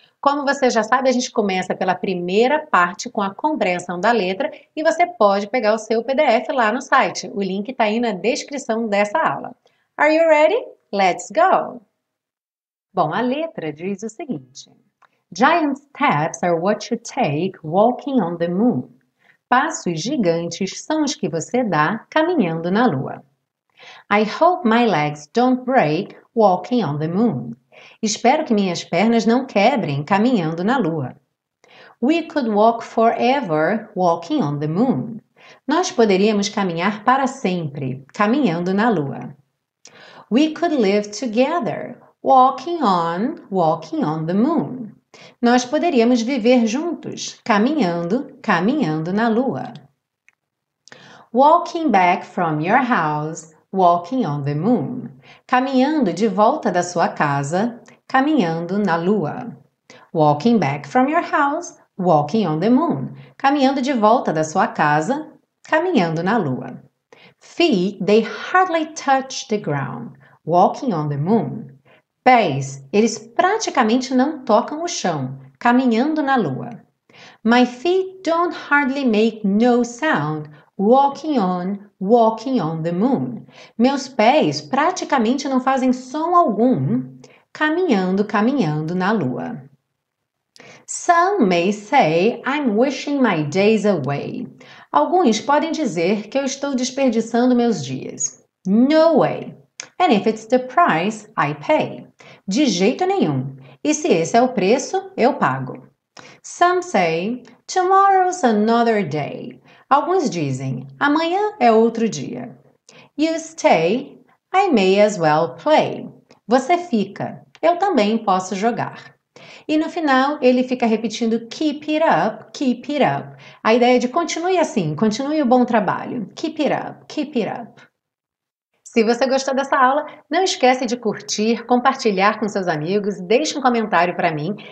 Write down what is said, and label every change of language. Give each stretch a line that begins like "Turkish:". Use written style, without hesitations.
Portuguese: Como você já sabe, a gente começa pela primeira parte com a compreensão da letra e você pode pegar o seu PDF lá no site. O link está aí na descrição dessa aula.
English: Are you ready? Let's go!
Portuguese: Bom, a letra diz o seguinte.
English: Giant steps are what you take walking on the moon.
Portuguese: Passos gigantes são os que você dá caminhando na lua.
English: I hope my legs don't break walking on the moon.
Portuguese: Espero que minhas pernas não quebrem caminhando na lua.
English: We could walk forever walking on the moon.
Portuguese: Nós poderíamos caminhar para sempre caminhando na lua.
English: We could live together walking on the moon.
Portuguese: Nós poderíamos viver juntos, caminhando, caminhando na lua.
English: Walking back from your house, walking on the moon.
Portuguese: Caminhando de volta da sua casa, caminhando na lua.
English: Walking back from your house, walking on the moon.
Portuguese: Caminhando de volta da sua casa, caminhando na lua.
English: Feet, they hardly touch the ground, walking on the moon.
Portuguese: Pés, eles praticamente não tocam o chão, caminhando na lua.
English: My feet don't hardly make no sound, walking on the moon.
Portuguese: Meus pés praticamente não fazem som algum, caminhando, caminhando na lua.
English: Some may say I'm wishing my days away.
Portuguese: Alguns podem dizer que eu estou desperdiçando meus dias.
English: No way. And if it's the price, I pay.
Portuguese: De jeito nenhum. E se esse é o preço, eu pago.
English: Some say, tomorrow's another day.
Portuguese: Alguns dizem, amanhã é outro dia.
English: You stay, I may as well play.
Portuguese: Você fica, eu também posso jogar. E no final, ele fica repetindo,
English: keep it up.
Portuguese: A ideia é de continue assim, continue o bom trabalho.
English: Keep it up, keep it up.
Portuguese: Se você gostou dessa aula, não esquece de curtir, compartilhar com seus amigos, deixe um comentário para mim.